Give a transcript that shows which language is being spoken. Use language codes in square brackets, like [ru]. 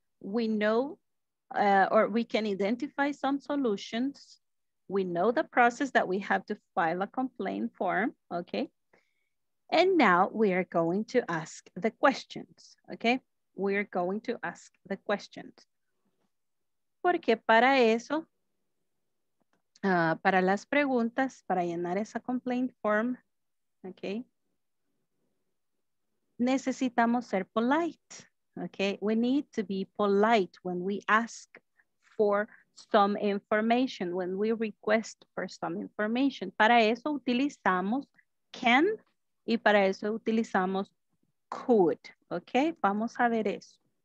[en] We know, or we can identify some solutions. We know the process that we have to file a complaint form, okay? And now we are going to ask the questions, okay? We are going to ask the questions. [es] Porque para eso, para las preguntas, para llenar esa complaint form, okay? Necesitamos ser polite, okay? [en] We need to be polite when we ask for some information, when we request for some information. Para eso utilizamos can y para eso utilizamos could, okay? Vamos a ver eso.